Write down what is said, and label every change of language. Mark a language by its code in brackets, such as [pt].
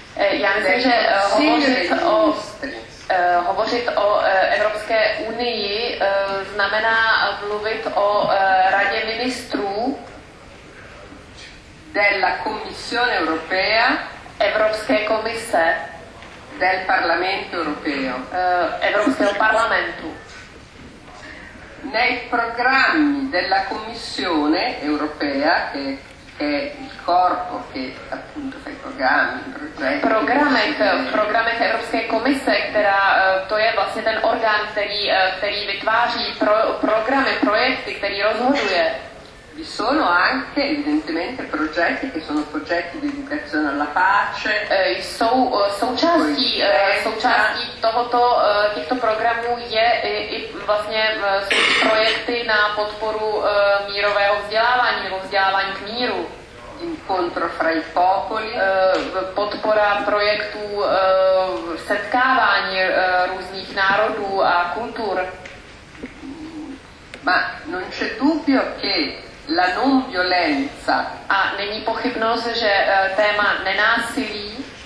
[cs] Já myslím, že hovořit o Evropské unii znamená mluvit o radě ministrů [it] della Commissione Europea, [cs] Evropské komise, [it] del Parlamento Europeo, [cs] Evropského parlamentu. [it] Nei programmi della Commissione Europea, che è il corpo che appunto fa i programmi, i progetti. Programmi [cs] Evropské komise, která to je vlastně ten orgán, který vytváří programy, projekty, který rozhoduje. [it] Vi sono anche evidentemente progetti che sono progetti di educazione alla pace. [cs] Součástí tohoto těchto programů je i vlastně projekty na podporu mírového vzdělávání nebo vzdělávání k míru. [it] Incontro fra i popoli. [cs] Podpora projektů setkávání různých národů a kultur. [it] Ma non c'è dubbio che la non violenza. [cs] A není pochybnost, že téma nenásilí,